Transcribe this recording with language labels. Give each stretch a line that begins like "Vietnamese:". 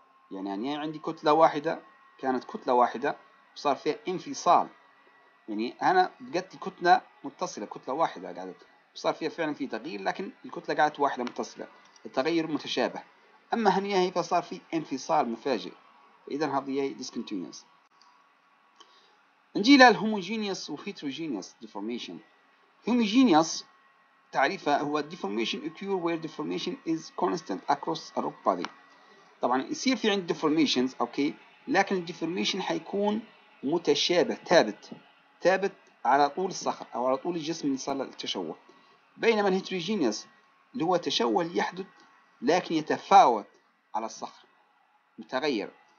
Arabic: يعني انا عندي كتله واحده، كانت كتله واحده وصار فيها انفصال، يعني انا بقت كتله متصله، كتله واحده قعدت وصار فيها فعلا في تغيير، لكن الكتله قعدت واحده متصله، التغير متشابه. اما هنيا هي فصار في انفصال مفاجئ، اذا هذه هي discontinuous. نجي للهوموجينيوس وهيتروجينيوس ديفورميشن.
English: homogeneous
Arabic: تعريفه هو
English: deformation occur where deformation is constant across a rock body.
Arabic: طبعا يصير في عند deformations اوكي، لكن الديفورميشن حيكون متشابه ثابت على طول الصخر او على طول الجسم اللي صار للتشوه. بينما الهيتروجينيوس اللي هو تشوه يحدث لكن يتفاوت على الصخر، متغير.